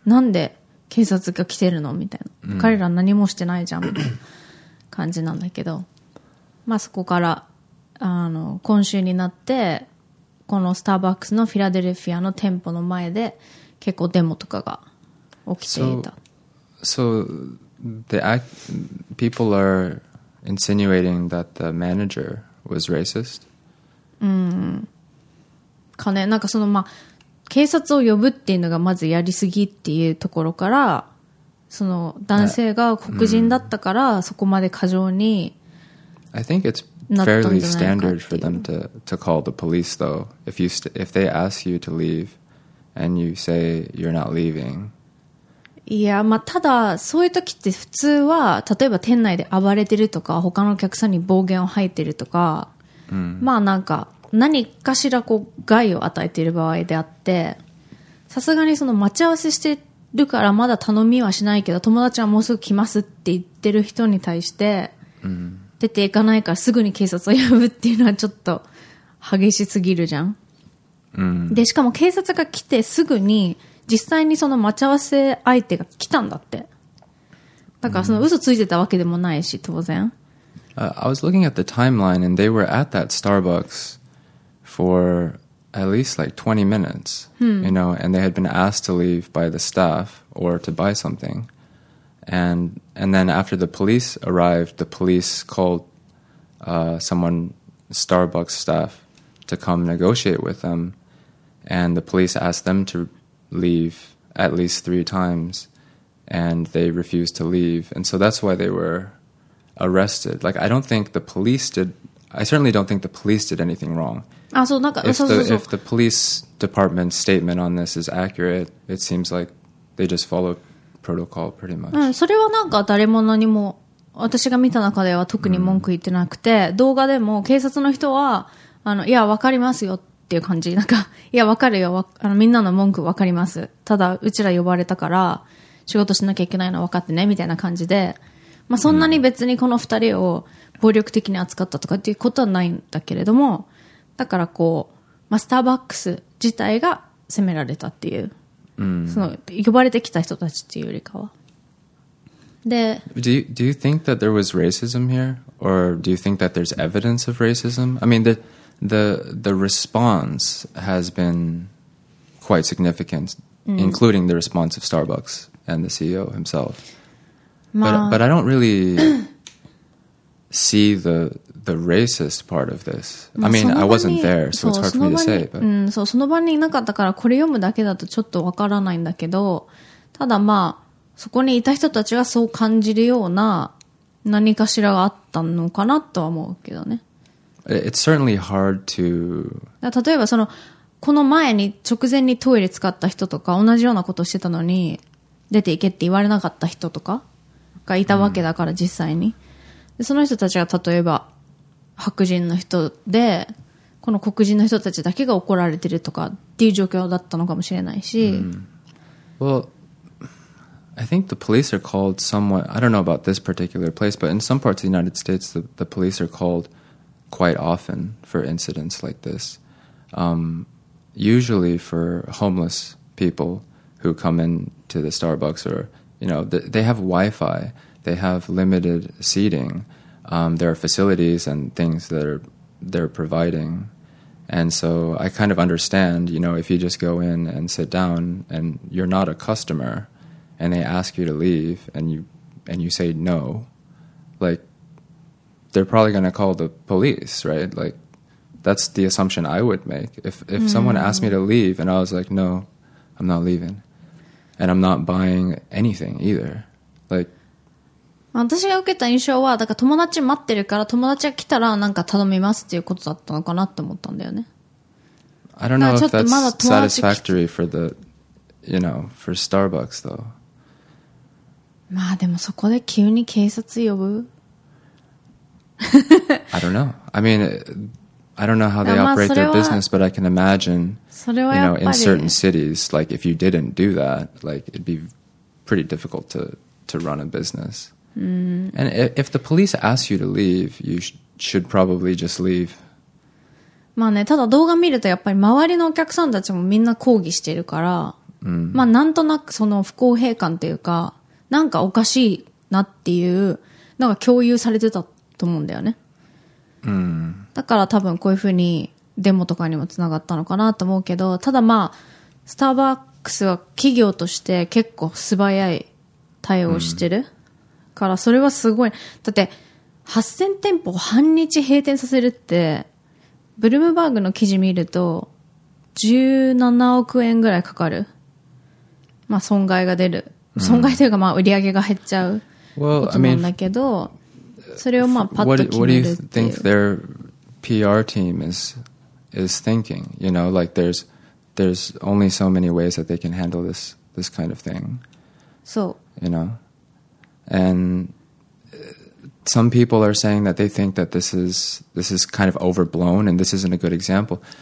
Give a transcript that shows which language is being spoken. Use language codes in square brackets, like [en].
[ja] なんで警察が来てるのみたいな、うん、彼ら何もしてないじゃんみたいな感じなんだけど、まあ、そこから今週になってこのスターバックスのフィラデルフィアの店舗の前で結構デモとかが起きていた。 [en] So the people are insinuating that the manager was racist. [ja] うん。かね、なんかそのまあ警察を呼ぶっていうのがまずやりすぎっていうところから、その男性が黒人だったからそこまで過剰に。 [en] I think it's fairly standard for them to call the police though. If they ask you to leave. And you say you're not leaving. [ja] いや、まあ、ただそういう時って普通は例えば店内で暴れてるとか他のお客さんに暴言を吐いてるとか、うん、まあなんか何かしらこう害を与えている場合であってさすがにその待ち合わせしてるからまだ頼みはしないけど友達はもうすぐ来ますって言ってる人に対して、うん、出ていかないからすぐに警察を呼ぶっていうのはちょっと激しすぎるじゃんでしかも警察が来てすぐに実際にその待ち合わせ相手が来たんだってだからその嘘ついてたわけでもないし当然、 [en] I was looking at the timeline and they were at that Starbucks for at least like 20 minutes、 hmm. you know and they had been asked to leave by the staff or to buy something and then after the police arrived the police called、someone Starbucks staffto come negotiate with them and the police asked them to leave at least three times and they refused to leave and so that's why they were arrested like I don't think the police did I certainly don't think the police did anything wrong if the police department's statement on this is accurate it seems like they just follow protocol pretty much [ja] うん、それはなんか誰も何も私が見た中では特に文句言ってなくて、うん、動画でも警察の人はいや、わかりますよっていう感じ。なんか、いや、わかるよ。みんなの文句わかります。ただ、うちら呼ばれたから、仕事しなきゃいけないのわかってね、みたいな感じで。まあ、そんなに別にこの二人を暴力的に扱ったとかっていうことはないんだけれども、だからこう、まあ、スターバックス自体が責められたっていう。その呼ばれてきた人たちっていうよりかは。で、 [en] Do you think that there was racism here? Or do you think that there's evidence of racism? I mean, the response has been quite significant, including the response of Starbucks and the CEO himself. But I don't really see the racist part of this. I mean, I wasn't there, so it's hard for me to say. But... [ja] そう、その場にいなかったからこれ読むだけだとちょっとわからないんだけど、ただまあ、そこにいた人たちがそう感じるような何かしらがあったのかなとは思うけどね。 [en] It's certainly hard to... [ja] 例えばその、この前に直前にトイレ使った人とか同じようなことしてたのに出て行けって言われなかった人とかがいたわけだから、実際に。で、その人たちが例えば白人の人で、この黒人の人たちだけが怒られてるとかっていう状況だったのかもしれないし。 [en] I think the police are called somewhat, I don't know about this particular place, but in some parts of the United States, the police are called quite often for incidents like this. Usually for homeless people who come into the Starbucks or, you know, they have Wi-Fi, they have limited seating, there are facilities and things that are, they're providing. And so I kind of understand, you know, if you just go in and sit down and you're not a customer... And they ask you to leave, and you say no, like they're probably going to call the police, right? Like that's the assumption I would make. If someone asked me to leave, and I was like, no, I'm not leaving, and I'm not buying anything either, like. [ja] 私が受けた印象は、だから友達待ってるから、友達が来たらなんか頼みますっていうことだったのかなって思ったんだよね。 [en] I don't know if that's satisfactory for the, you know, for Starbucks though. [ja] まあでもそこで急に警察呼ぶ [en] I don't know. I mean, I don't know how they operate their business, but I can imagine, [ja] それはやっぱり [en] you know, in certain cities, like if you didn't do that, like it'd be pretty difficult to run a business. And if the police ask you to leave, you should probably just leave. [ja] まあね、ただ動画見るとやっぱり周りのお客さんたちもみんな抗議してるから、まあなんとなくその不公平感というか、なんかおかしいなっていうなんか共有されてたと思うんだよね、だから多分こういうふうにデモとかにもつながったのかなと思うけど、ただまあスターバックスは企業として結構素早い対応してる、からそれはすごい、だって8000店舗半日閉店させるってブルームバーグの記事見ると17億円ぐらいかかる、まあ損害が出る、損害というかまあ売り上げが減っちゃうことなんだけど、それをまあパッと決めるっていう。 [en] What do you think their PR team is thinking? You know, like there's only so many ways that they can handle this kind of thing. [ja] そう。 [en] You know, and some people are saying that they think that this is kind of overblown and this isn't a good example.